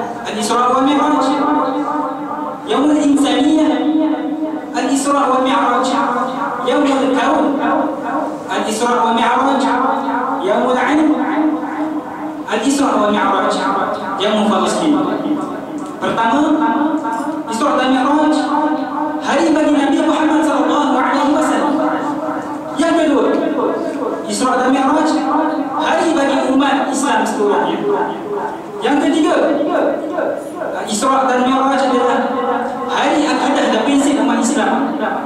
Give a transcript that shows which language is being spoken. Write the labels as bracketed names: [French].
[Arabic] Al-Isra wa Mi'raj يوم الإنسانية. الإسراء والمعراج يوم الكون. الإسراء والمعراج يوم العلم. الإسراء والمعراج يوم فلسطين. [Malay] Pertama, إسراء والمعراج hari bagi Nabi Muhammad sallallahu alaihi wasallam. Yang kedua, إسراء والمعراج hari bagi umat Islam seluruhnya. Yang ketiga, Isra dan Mi'raj adalah hari akidah dan prinsip umat Islam.